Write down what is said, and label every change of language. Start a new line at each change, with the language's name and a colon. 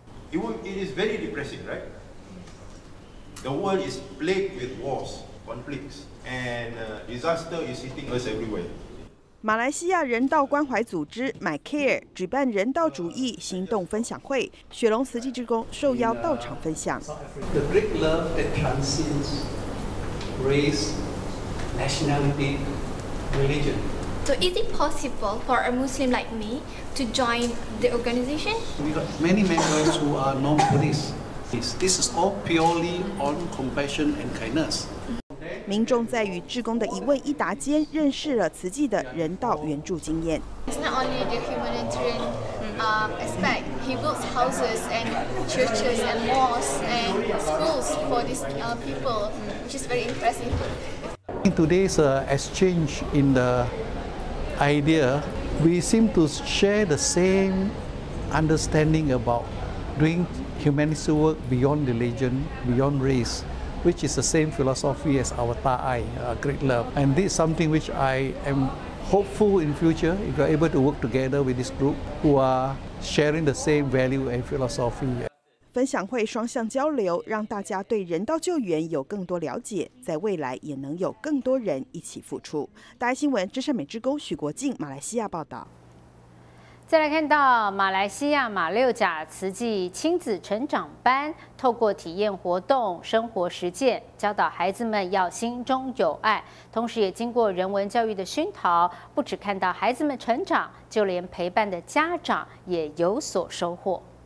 English: It is very depressing, right? The world is plagued with wars, conflicts. And disaster is hitting us everywhere.
Chinese: 马来西亚人道关怀组织 MyCare 举办人道主义行动分享会，雪隆慈济志工受邀到场分享。
English: The great love that transcends race, nationality, religion. So is it possible for a Muslim like me to join the organization? We got many members who are non-Buddhist. This is all purely on compassion and kindness.
Chinese: 民众在与志工的一问一答间，认识了慈济的人道援助经验。
English: It's not only the humanitarian aspect. He builds houses and churches and malls and schools for these people, which is very impressive. In today's exchange in the idea, we seem to share the same understanding about doing humanitarian work beyond religion, beyond race. Which is the same philosophy as our Ta'ai, great love. And this is something which I am hopeful in future, if we are able to work together with this group who are sharing the same value and philosophy.
Chinese: 分享会双向交流，让大家对人道救援有更多了解，在未来也能有更多人一起付出。大爱新闻真善美志工许国敬马来西亚报道。再来看到马来西亚马六甲慈济亲子成长班，透过体验活动、生活实践，教导孩子们要心中有爱，同时也经过人文教育的熏陶，不只看到孩子们成长，就连陪伴的家长也有所收获。